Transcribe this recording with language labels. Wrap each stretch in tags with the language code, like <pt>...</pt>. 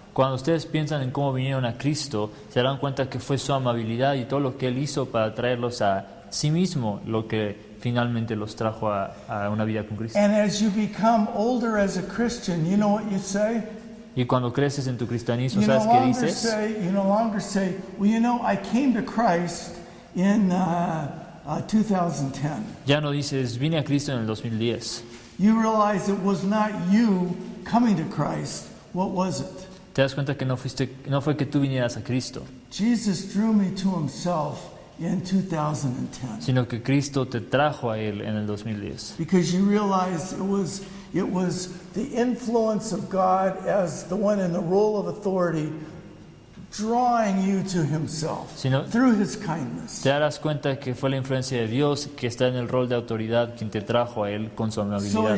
<es>Cuando ustedes piensan en cómo vinieron a Cristo, se dan cuenta que fue su amabilidad y todo lo que él hizo para traerlos a sí mismo lo que finalmente los trajo a una vida con Cristo.</es> <en>And as you become older as a Christian, you know what you say?</en> <es>Y cuando creces en tu cristianismo, ¿sabes qué dices?</es> <en>Say, you no longer say, well, you know, I came to Christ in 2010.</en> <es>Ya no dices, vine a Cristo en el 2010.</es> <en>You realize it was not you coming to Christ. What was it?</en> <es>Te das cuenta que no fue que tú vinieras a Cristo.</es> <en>Jesus drew me to himself in 2010.</en> <es>Sino que Cristo te trajo a él en el 2010.</es> <en>Because you realized it was the influence of God as the one in the role of authority drawing you to himself through his kindness.</en> <es>Te darás cuenta que fue la influencia de Dios que está en el rol de autoridad quien te trajo a él con su amabilidad.</es>